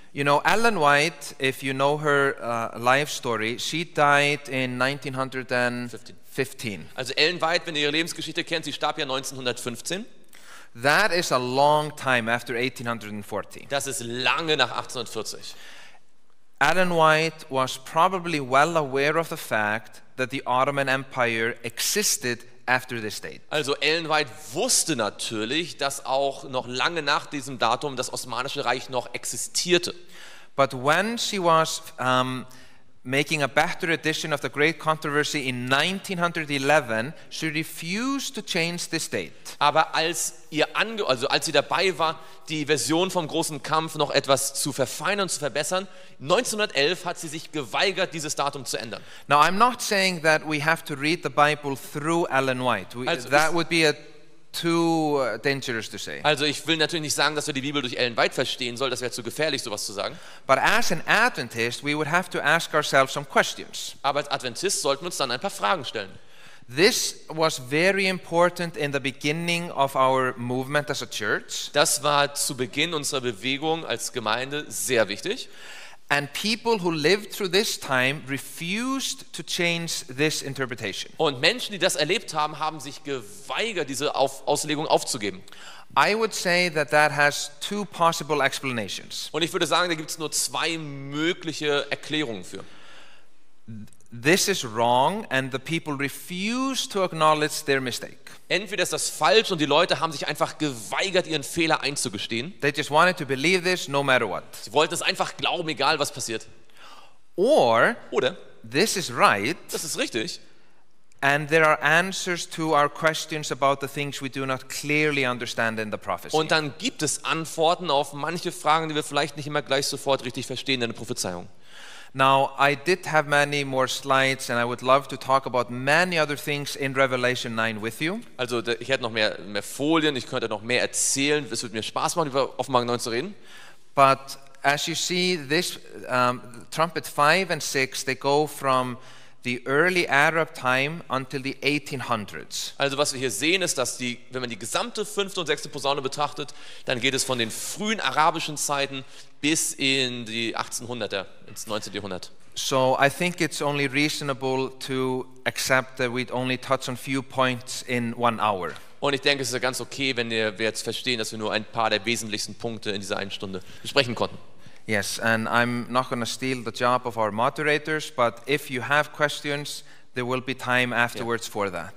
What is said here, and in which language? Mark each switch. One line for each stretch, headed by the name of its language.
English: You know, Ellen White, if you know her life story, she died in 1915.
German: Also Ellen White, wenn ihr ihre Lebensgeschichte kennt, sie starb ja 1915.
English: That is a long time after 1840.
German: Das ist lange nach 1840.
English: Ellen White was probably well aware of the fact that the Ottoman Empire existed after this date.
German: Also Ellen White wusste natürlich, dass auch noch lange nach diesem Datum das Osmanische Reich noch existierte.
English: But when she was making a better edition of the Great Controversy in 1911, she refused to change this date.
German: Aber als sie dabei war, die Version vom großen Kampf noch etwas zu verfeinern, zu verbessern, 1911 hat sie sich geweigert, dieses Datum zu ändern.
English: Now I'm not saying that we have to read the Bible through Ellen White. That would be a too dangerous to say.
German: Also ich will natürlich nicht sagen, dass wir die Bibel durch Ellen White verstehen sollen, das wäre zu gefährlich, sowas zu sagen.
English: But as an Adventist, we would have to ask ourselves some questions.
German: Aber als Adventist sollten wir uns dann ein paar Fragen stellen.
English: This was very important in the beginning of our movement as a church.
German: Das war zu Beginn unserer Bewegung als Gemeinde sehr wichtig.
English: And people who lived through this time refused to change this interpretation.
German: Und Menschen, die das erlebt haben, haben sich geweigert, diese Auslegung aufzugeben.
English: I would say that that has two possible explanations.
German: Und ich würde sagen, da gibt es nur zwei mögliche Erklärungen für.
English: This is wrong and the people refuse to acknowledge their mistake.
German: Entweder ist das falsch und die Leute haben sich einfach geweigert, ihren Fehler einzugestehen.
English: They just wanted to believe this no matter what.
German: Sie wollten es einfach glauben, egal was passiert. Oder
English: this is right.
German: Das ist richtig.
English: And there are answers to our questions about the things we do not clearly understand in the prophecy.
German: Und dann gibt es Antworten auf manche Fragen, die wir vielleicht nicht immer gleich sofort richtig verstehen in der Prophezeiung.
English: Now I did have many more slides and I would love to talk about many other things in Revelation 9 with you.
German: Also ich hätte noch mehr Folien, ich könnte noch mehr erzählen, es würde mir Spaß machen über Offenbarung 9 zu reden.
English: But as you see, this trumpet 5 and 6, they go from the early Arab time until the 1800s.
German: Also was wir hier sehen ist, dass die, wenn man die gesamte 5. und 6. Posaune betrachtet, dann geht es von den frühen arabischen Zeiten bis in die 1800er, ins 19. Jahrhundert.
English: So I think it's only reasonable to accept that we'd only touch on few points in one hour.
German: Und ich denke, es ist ganz okay, wenn wir jetzt verstehen, dass wir nur ein paar der wesentlichsten Punkte in dieser einen Stunde besprechen konnten.
English: Yes, and I'm not going to steal the job of our moderators, but if you have questions, there will be time afterwards for that.